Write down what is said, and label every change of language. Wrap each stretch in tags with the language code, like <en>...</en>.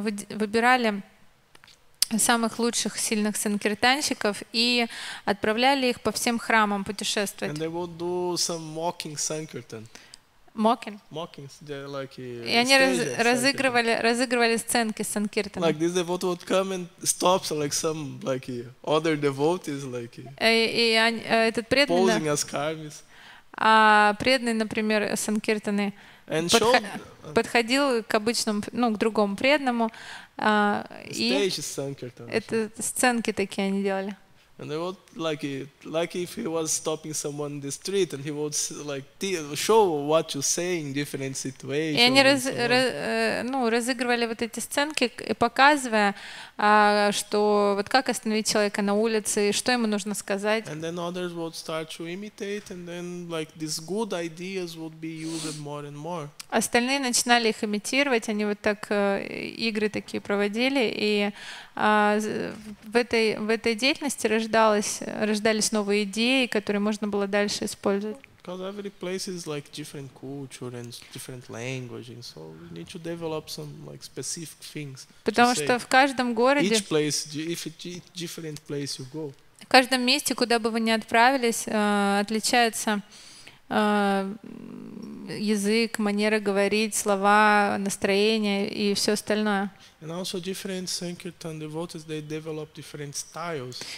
<ru>выбирали самых лучших сильных санкиртанщиков и отправляли их по всем храмам путешествовать.</ru> <en>And they would do some mocking sankirtan. Mocking.</en> <ru>И они разыгрывали сценки с санкиртаном.</ru> <en>Like this devotee would come and stop like some like other devotees like.</en> <ru>Этот преданный.</ru> <en>Posing as karmis.</en> <ru>А преданный, например, санкиртаны. Подходил к обычному, ну, к другому преданному. Это сценки такие они делали.</ru> <en>And they would like if he was stopping someone in the street and he would like show what you say in different situations.</en> <ru>И они разыгрывали вот эти сценки, показывая, что вот как остановить человека на улице и что ему нужно сказать.</ru> <en>And then others would start to imitate, and then like these good ideas would be used more and more.</en> <ru>Остальные начинали их имитировать, они вот так игры такие проводили, и в этой деятельности рождались новые идеи, которые можно было дальше использовать.</ru> <en>Because every place is like different culture and different language, and so we need to develop some like specific things.</en> <ru>Потому что в каждом городе.</ru> <en>Each place, if it's different place you go.</en> <ru>В каждом месте, куда бы вы ни отправились, отличается язык, манера говорить, слова, настроение и все остальное.</ru> <en>And also different sankirtan devotees, they develop different styles.</en>